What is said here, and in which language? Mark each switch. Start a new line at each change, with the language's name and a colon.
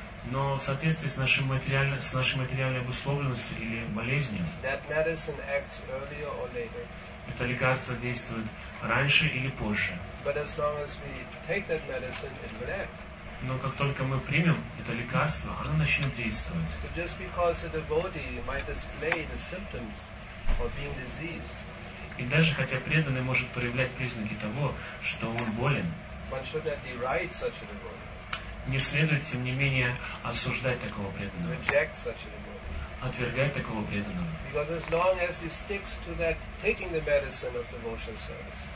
Russian: Но в соответствии с нашей материальной обусловленностью или болезнью, это лекарство действует раньше или позже.
English: But as long as we take that medicine, it will act.
Russian: Но как только мы примем это лекарство, оно начнет действовать.
English: So just because a devotee might display the symptoms of being diseased.
Russian: И даже хотя преданный может проявлять признаки того, что он болен.
English: One should not deride such a devotee.
Russian: Не следует, тем не менее, осуждать такого преданного.
English: Reject such a devotee.
Russian: Отвергать такого преданного.
English: Because as long as he sticks to that taking the medicine of devotional service.